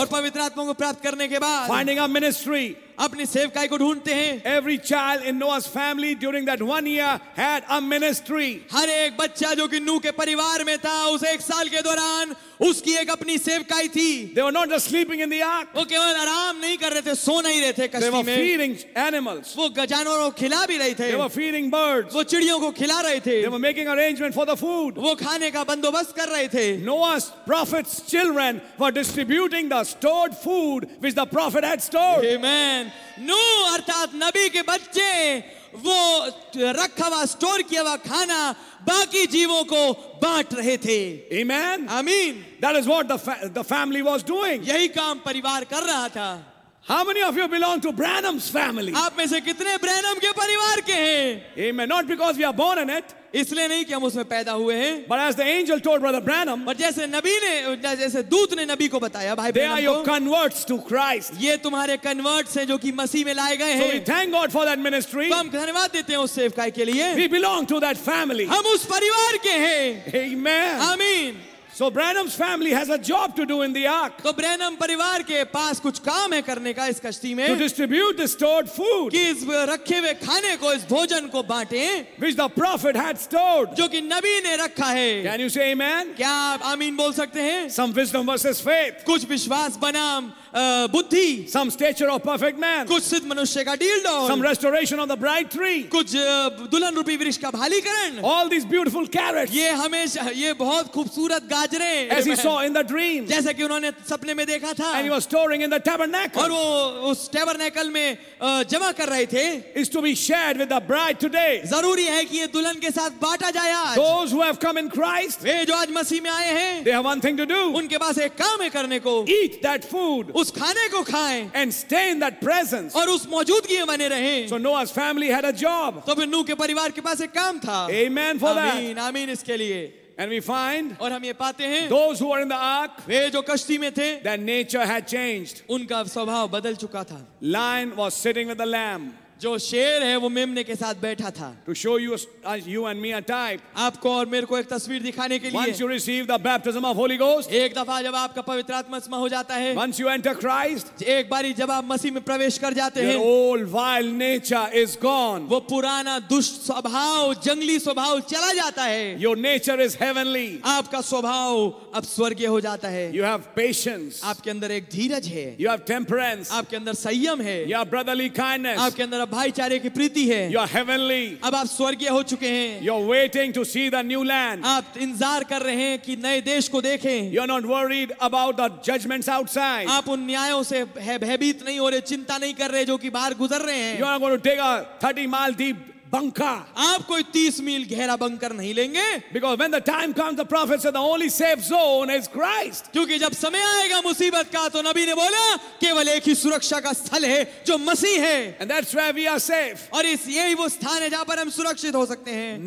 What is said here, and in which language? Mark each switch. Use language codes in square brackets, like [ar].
[hi] और पवित्र आत्मा को प्राप्त करने के बाद. [en] Finding a ministry. [hi] अपनी सेवकाई को ढूंढते हैं [en] Every child in Noah's family during that one year had a ministry. [hi] हर एक बच्चा जो कि नूह के परिवार में था उस एक साल के दौरान उसकी एक अपनी सेवकाई थी [en] They were not just sleeping in the ark. [hi] वो केवल आराम नहीं कर रहे थे सो नहीं रहे थे कश्ती में. [en] They were feeding animals. [hi] वो गजानवरों को खिला भी रहे थे [en] They were feeding birds. [hi] वो चिड़ियों को खिला रहे थे [en] They were making arrangement for the food. [hi] वो खाने का बंदोबस्त कर रहे थे [en] Noah's prophet's children were distributing the stored food which the prophet had stored. Amen. [hi] नू अर्थात नबी के बच्चे वो रखा हुआ स्टोर किया हुआ खाना बाकी जीवों को बांट रहे थे [en] Amen. Amen. That is what the family was doing. [hi] यही काम परिवार कर रहा था [en] How many of you belong to Branham's family? [hi] आप में से कितने ब्रैनम के परिवार के हैं [en] Amen. Not because we are born in it. [hi] इसलिए नहीं कि हम उसमें पैदा हुए हैं [en] But as the angel told Brother Branham, but [hi] जैसे नबी ने जैसे दूत ने नबी को बताया भाई [en] They are your converts to Christ. [hi] ये तुम्हारे कन्वर्ट्स हैं जो कि मसीह में लाए गए हैं [en] So we thank God for that ministry. [hi] तो हम धन्यवाद देते हैं उस सेवकाई के लिए [en] We belong to that family. [hi] हम उस परिवार के हैं [en] Amen. [hi] आमीन [en] So Branham's family has a job to do in the ark. [hi] तो ब्रैनम परिवार के पास कुछ काम है करने का इस कश्ती में [en] To distribute the stored food. [hi] कि इस रखे हुए खाने को इस भोजन को बांटें [en] Which the prophet had stored. [hi] जो कि नबी ने रखा है [en] Can you say amen? [hi] क्या आप आमीन बोल सकते हैं [en] Some wisdom versus faith. [hi] कुछ विश्वास बनाम बुद्धि [en] Some stature of perfect man. [hi] कुछ सिद्ध मनुष्य का deal-doll [en] Some restoration of the bright tree. [hi] कुछ दुल्हन रूपी वृक्ष का भालीकरण [en] All these beautiful carrots. [hi] ये हमेशा ये बहुत खूबसूरत गाजरे [en] As he saw in the dream. [hi] जैसे कि उन्होंने सपने में देखा था [en] And he was storing in the tabernacle. [hi] और वो उस टैबरनेकल में जमा कर रहे थे [en] Is to be shared with the bride today. [hi] जरूरी है कि ये दुल्हन के साथ बांटा जाए आज [en] Those who have come in Christ. [hi] वे जो आज मसीह में आए हैं [en] They have one thing to do. [hi] उनके पास एक काम है करने को [en] Eat that food. [hi] उस खाने को खाएं [en] and stay in that presence [hi] और उस मौजूदगी में बने रहें [en] so Noah's family had a job [hi] तो फिर नूह के परिवार के पास एक काम था [en] amen for that [hi] आमीन आमीन इसके लिए [en] And we find [hi] और हम ये पाते हैं [en] those who are in the ark, [hi] वे जो कश्ती में थे [en] their nature had changed. [hi] उनका स्वभाव बदल चुका था [en] lion was sitting with the lamb. [hi] जो शेर है वो मेमने के साथ बैठा था [en] to show you you and me a type [hi] आपको और मेरे को एक तस्वीर दिखाने के लिए [en] Once you receive the baptism of Holy Ghost, [hi] एक दफा जब आपका पवित्र आत्मा हो जाता है [en] Once you enter Christ, [hi] एक बारी जब आप मसीह में प्रवेश कर जाते हैं [en] old wild nature is gone. [hi] वो पुराना दुष्ट स्वभाव जंगली स्वभाव चला जाता है [en] Your nature is heavenly. [hi] आपका स्वभाव अब स्वर्गीय हो जाता है [en] You have patience. [hi] आपके अंदर एक धीरज है [en] You have temperance. [hi] आपके अंदर संयम है [en] You have brotherly kindness. [hi] आपके अंदर भाईचारे की प्रीति है [en] You are heavenly. [hi] अब आप स्वर्गीय हो चुके हैं [en] You are waiting to see the new land. [hi] आप इंतजार कर रहे हैं कि नए देश को देखें [en] You are not worried about the judgments outside. [hi] आप उन न्यायों से भयभीत नहीं हो रहे चिंता नहीं कर रहे जो कि बाहर गुजर रहे हैं [en] You are going to dig a 30 mile deep bunker [hi] आप कोई 30 मील गहरा बंकर नहीं लेंगे [en] because when the time comes the prophet said the only safe zone is Christ [hi] क्योंकि जब समय आएगा मुसीबत का तो नबी ने बोला केवल एक ही सुरक्षा का स्थल है जो मसीह है [en] and that's where we are safe [hi] और इस यही वो स्थान है जहां पर हम सुरक्षित हो सकते हैं